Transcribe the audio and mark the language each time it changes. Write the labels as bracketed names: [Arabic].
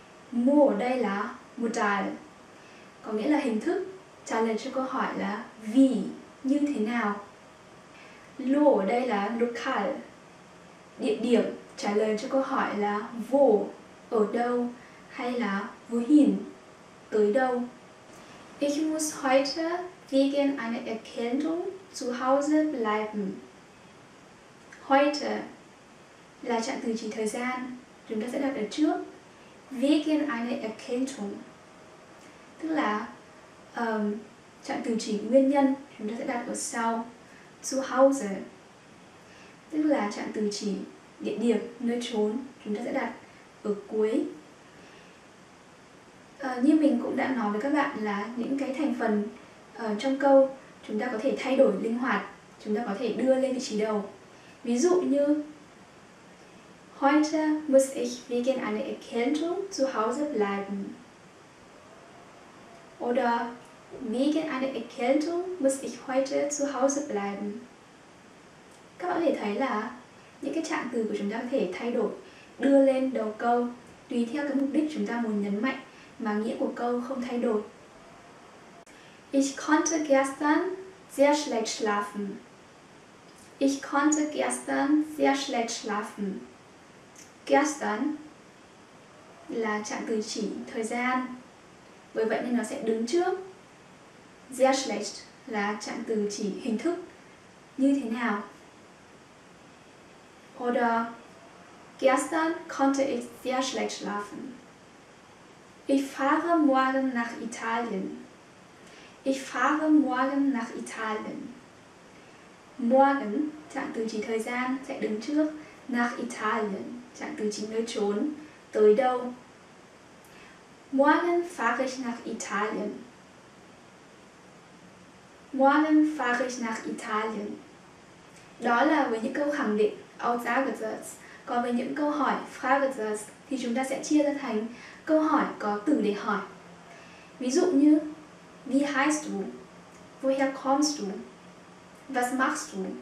[Vietnamese] Mu ở đây là modal, có nghĩa là hình thức. Trả lời cho câu hỏi là vì, như thế nào. Lu ở đây là local, địa điểm. Trả lời cho câu hỏi là wo, ở đâu, hay là wohin, tới đâu. [German] Ich muss heute wegen einer Erkältung zu Hause bleiben. [Vietnamese] Heute là trạng từ chỉ thời gian, chúng ta sẽ đặt ở trước. [German] Wegen einer Erkältung [Vietnamese] tức là trạng từ chỉ nguyên nhân, chúng ta sẽ đặt ở sau. [German] Zu Hause [Vietnamese] tức là trạng từ chỉ địa điểm, nơi trốn, chúng ta sẽ đặt ở cuối. Như mình cũng đã nói với các bạn là những cái thành phần trong câu chúng ta có thể thay đổi linh hoạt, chúng ta có thể đưa lên vị trí đầu. Ví dụ như [German] Heute muss ich wegen einer Erkältung zu Hause bleiben. Oder wegen einer Erkältung muss ich heute zu Hause bleiben. [Vietnamese] Các bạn có thể thấy là những cái trạng từ của chúng ta có thể thay đổi, đưa lên đầu câu tùy theo cái mục đích chúng ta muốn nhấn mạnh mà nghĩa của câu không thay đổi. [German] Ich konnte gestern sehr schlecht schlafen. Ich konnte gestern sehr schlecht schlafen. Gestern [Vietnamese] là trạng từ chỉ thời gian, bởi vậy nên nó sẽ đứng trước. [German] Sehr schlecht [Vietnamese] là trạng từ chỉ hình thức, như thế nào. [German] Oder gestern konnte ich sehr schlecht schlafen. Ich fahre morgen nach Italien. Ich fahre morgen nach Italien. [Vietnamese] Morgen, trạng từ chỉ thời gian, sẽ đứng trước. [German] Nach Italien, [Vietnamese] trạng từ chỉ nơi trốn, tới đâu. [German] Morgen fahre ich nach Italien. Morgen fahre ich nach Italien. [Vietnamese] Đó là với những câu khẳng định, Aussagesatz. Còn với những câu hỏi, Fragesatz, thì chúng ta sẽ chia ra thành câu hỏi có từ để hỏi. Ví dụ như, [German] Wie heißt du? Woher kommst du? Was machst du?